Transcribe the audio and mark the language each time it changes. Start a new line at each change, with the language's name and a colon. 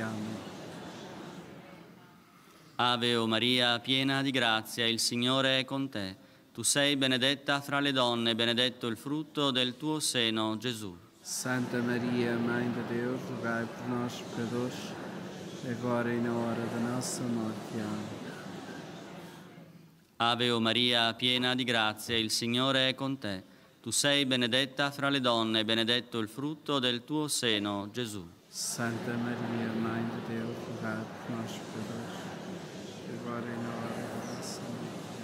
Portuguese: Amen.
Italian: Ave o Maria, piena di grazia, il Signore è con te. Tu sei benedetta fra le donne, benedetto il frutto del tuo seno, Gesù.
Portuguese: Santa Maria, Mãe de Deus, rogai por nós pecadores, agora e na hora da nossa morte. Amém.
Italian: Ave o Maria, piena di grazia, il Signore è con te. Tu sei benedetta fra le donne, benedetto il frutto del tuo seno, Gesù.
Portuguese: Santa Maria, Mãe de Deus, rogai por nós pecadores, agora e na hora da nossa morte.